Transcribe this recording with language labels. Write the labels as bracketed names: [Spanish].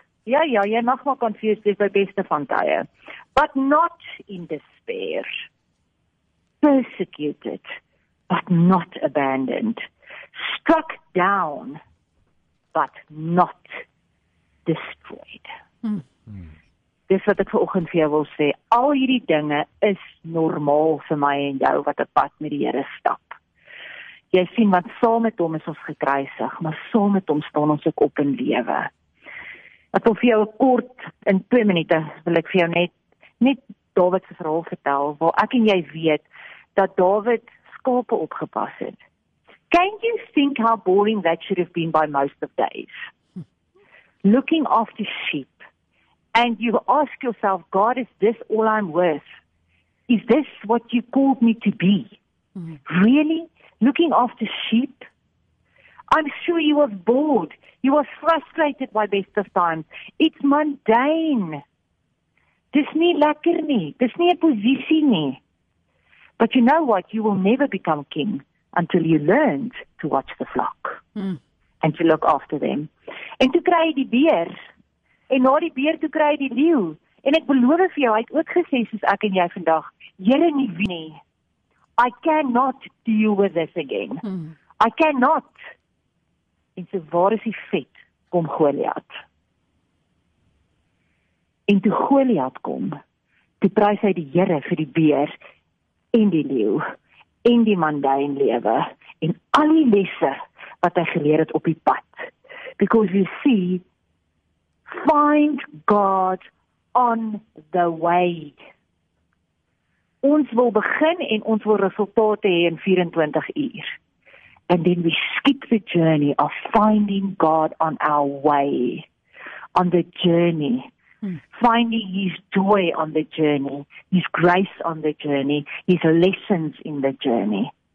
[Afrikaans] Ja, ja, jy mag maar confused, dit is my beste van tye. [English] But not in despair. Persecuted, but not abandoned. Struck down, but not destroyed. [Afrikaans] Dis wat ek vanoggend vir jou wil sê, al hierdie dinge is normaal vir my en jou wat 'n pad met die Here stap. Jy sien, want saam met hom is ons gekruisig, maar saam met hom staan ons ook op in lewe. Ek wil vir jou kort, in 2 minute, wil ek vir jou net David se verhaal vertel, waar ek en jy weet dat David skape opgepas het. [English] Can't you think how boring that should have been by most of days? Looking after sheep. And you ask yourself, God, is this all I'm worth? Is this what you called me to be? Really? Looking after sheep? I'm sure you were bored. You were frustrated by best of times. It's mundane. [Afrikaans] Dis nie lekker nie. Dis nie 'n posisie nie. [English] But you know what? You will never become king until you learned to watch the flock. And to look after them. [Afrikaans] En toe kry jy die beer. En na die beer toe kry hy die leeu. En ek beloof vir jou, hy het ook gesê soos ek en jy vandag, Here nie wie nie, [English] I cannot deal with this again. I cannot. [Afrikaans] En so waar is die vet? Kom Goliath. En toe Goliath kom, toe prys hy die Here vir die beer en die leeu en die mundane lewe en al die lesse wat hy geleer het op die pad. [English] Because you see, find God on the way. [Afrikaans] Ons wil begin en ons wil resultate hê in 24 uur. [English] And then we skip the journey of finding God on our way, on the journey, finding His joy on the journey, His grace on the journey, His lessons in the journey.